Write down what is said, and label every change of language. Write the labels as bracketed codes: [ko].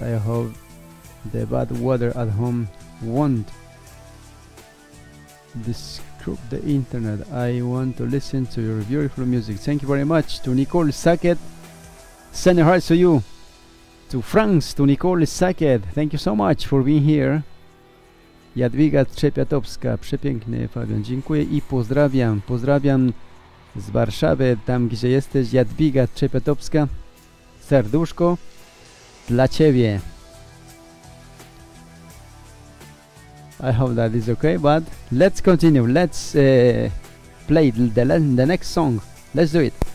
[en] I hope the bad weather at home won't disrupt the internet. I want to listen to your beautiful music. Thank you very much to Nicole Sackett. Send a heart to you, to France, to Nicole Sackett. Thank you so much for being here. [pl] Jadwiga Trzepiatowska, przepiękny Fabian, dziękuję i pozdrawiam, pozdrawiam z Warszawy, tam gdzie jesteś, Jadwiga Trzepiatowska, serduszko dla Ciebie. [en] I hope that is okay, but let's continue, let's play the next song, let's do it.